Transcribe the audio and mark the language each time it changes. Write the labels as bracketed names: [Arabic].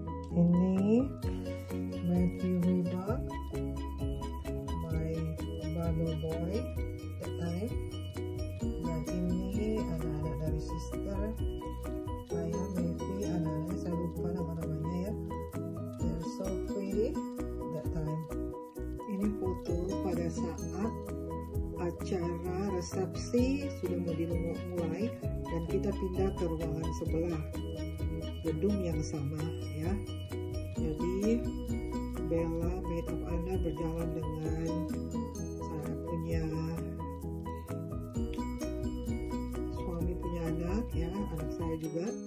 [Indonesian] Ini [English] Matthew Reebok, my Bible boy at the time. [Indonesian] Dan ini anak-anak dari sister saya, Matthew, anak-anaknya saya lupa nama-namanya ya. [English] They're so pretty that time. [Indonesian] Ini foto pada saat acara resepsi sudah mau dimulai dan kita pindah ke ruangan sebelah gedung yang sama ya. Jadi Bella, maid of honor, berjalan dengan saya punya suami, punya anak ya, anak saya juga.